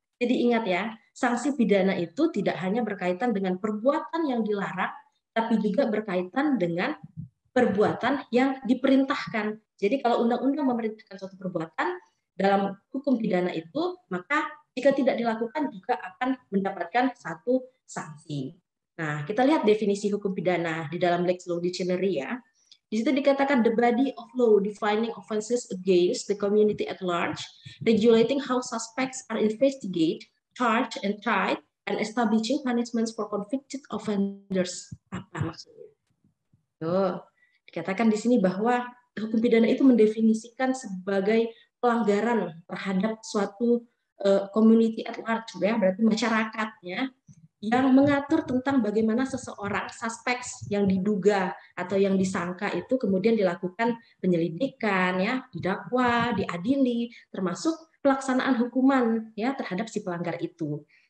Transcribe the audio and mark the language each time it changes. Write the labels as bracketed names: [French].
[Indonesian] Jadi ingat ya, sanksi pidana itu tidak hanya berkaitan dengan perbuatan yang dilarang, tapi juga berkaitan dengan perbuatan yang diperintahkan. Jadi kalau undang-undang memerintahkan suatu perbuatan dalam hukum pidana itu, maka Jika tidak dilakukan juga akan mendapatkan satu sanksi. Nah, kita lihat definisi hukum pidana di dalam Lex Law Dictionary ya. Di situ dikatakan [English] the body of law defining offenses against the community at large, regulating how suspects are investigated, charged, and tried, and establishing punishments for convicted offenders. [Indonesian] Apa maksudnya? Tuh, dikatakan di sini bahwa hukum pidana itu mendefinisikan sebagai pelanggaran terhadap suatu community at large, ya, berarti masyarakatnya, yang mengatur tentang bagaimana seseorang suspects yang diduga atau yang disangka itu kemudian dilakukan penyelidikan, ya, didakwa, diadili, termasuk pelaksanaan hukuman, ya, terhadap si pelanggar itu.